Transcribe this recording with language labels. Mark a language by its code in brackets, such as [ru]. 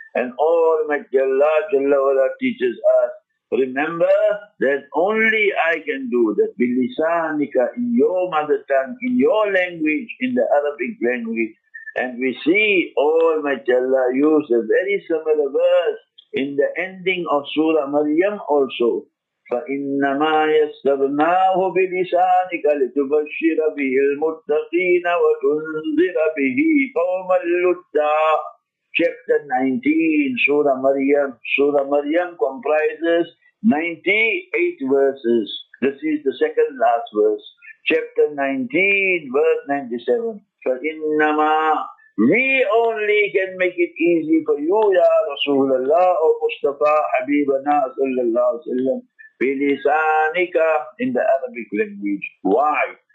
[en] And Almighty Allah jalla wala teaches us, remember that only I can do that, bilisanika, in your mother tongue, in your language, in the Arabic language. And we see Almighty Allah use a very similar verse in the ending of Surah Maryam also. [ar] فَإِنَّمَا يَسَّرْنَاهُ بِلِسَانِكَ لِتُبَشِّرَ بِهِ الْمُتَّقِينَ وَتُنْذِرَ بِهِ قَوْمًا لُّدًّا [en] Chapter 19, Surah Maryam. Surah Maryam comprises 98 verses. This is the second last verse. Chapter 19, verse 97. فَإِنَّمَا We only can make it easy for you, Ya Rasulullah, O Mustafa Habibana sallallahu alayhi wa sallam, بِلِسَانِكَ In the Arabic language. Why?